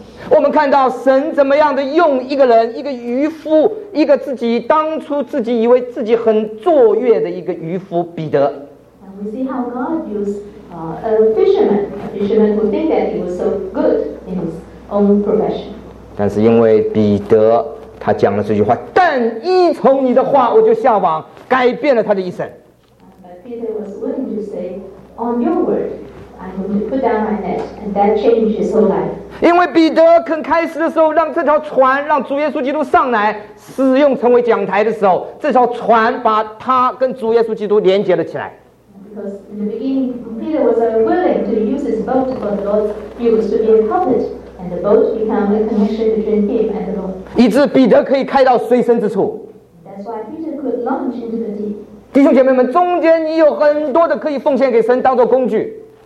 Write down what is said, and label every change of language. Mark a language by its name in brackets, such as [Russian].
[Chinese] 我们看到神怎么样的用一个人，一个渔夫，一个自己当初自己以为自己很卓越的一个渔夫彼得。 [English] And we see how God used a fisherman who think that he was so good in his own profession. [Chinese] 但是因为彼得他讲了这句话，但依从你的话，我就下网，改变了他的一生。 [English] But Peter was willing to say, on your word, I'm going to put down my net, and that changed his whole life. [Chinese] 因为彼得肯开始的时候，让这条船让主耶稣基督上来使用成为讲台的时候，这条船把他跟主耶稣基督连接了起来。 [English] Because in the beginning, Peter was unwilling to use his boat for the Lord. He was to be a puppet, and the boat became the connection between him and the Lord. [Chinese] 以致彼得可以开到水深之处。 [English] That's why Peter could launch into the deep. [Chinese] 弟兄姐妹们，中间你有很多的可以奉献给神当做工具。